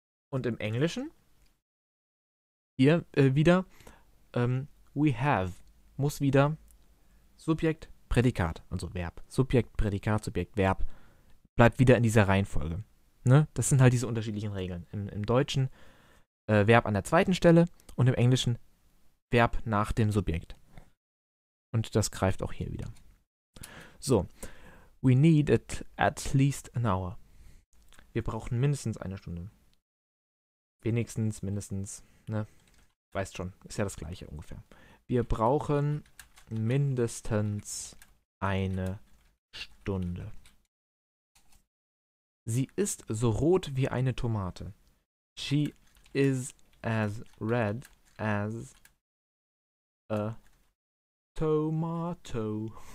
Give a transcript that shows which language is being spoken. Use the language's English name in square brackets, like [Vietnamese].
[German] Und im Englischen, hier wieder, [English] we have, [German] muss wieder Subjekt, Prädikat, also Verb. Subjekt, Prädikat, Subjekt, Verb. Bleibt wieder in dieser Reihenfolge. Ne? Das sind halt diese unterschiedlichen Regeln. Im Deutschen, Verb an der zweiten Stelle und im Englischen, Verb nach dem Subjekt. Und das greift auch hier wieder. So. [English] We need it at least an hour. [German] Wir brauchen mindestens eine Stunde. Wenigstens, mindestens, ne? Weißt schon, ist ja das gleiche ungefähr. Wir brauchen mindestens eine Stunde. Sie ist so rot wie eine Tomate. [English] She is as red as a Tomato.